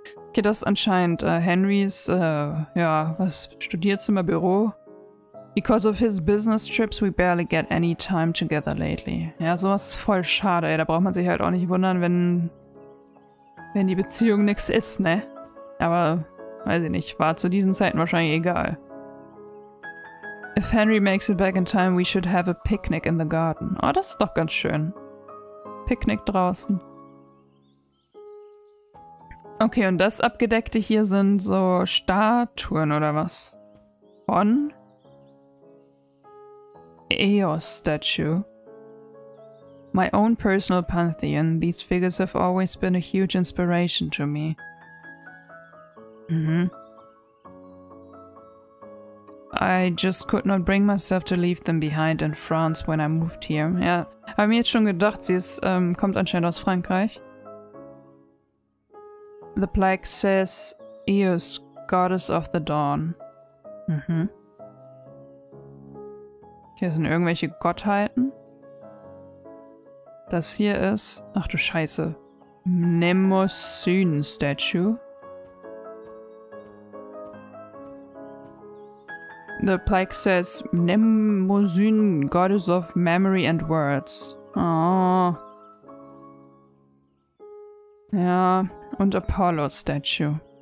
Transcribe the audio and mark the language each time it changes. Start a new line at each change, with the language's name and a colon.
German: Okay, das ist anscheinend Henrys, ja, was, Studierzimmer, Büro.
English: Because of his business trips, we barely get any time together lately.
German: Ja, sowas ist voll schade, ey. Da braucht man sich halt auch nicht wundern, wenn... Wenn die Beziehung nix ist, ne? Aber, weiß ich nicht, war zu diesen Zeiten wahrscheinlich egal.
English: If Henry makes it back in time, we should have a picnic in the garden.
German: Oh, das ist doch ganz schön. Picknick draußen. Okay, und das Abgedeckte hier sind so Statuen oder was? Von? Eos Statue.
English: My own personal pantheon, these figures have always been a huge inspiration to me. I just could not bring myself to leave them behind in France when I moved here.
German: Ja, habe mir jetzt schon gedacht, sie ist, kommt anscheinend aus Frankreich.
English: The plaque says, Eos, goddess of the dawn.
German: Hier sind irgendwelche Gottheiten. Das hier ist, ach du Scheiße, Mnemosyne Statue.
English: The plaque says, Mnemosyne, goddess of memory and words. Oh.
German: Ja, und Apollo Statue.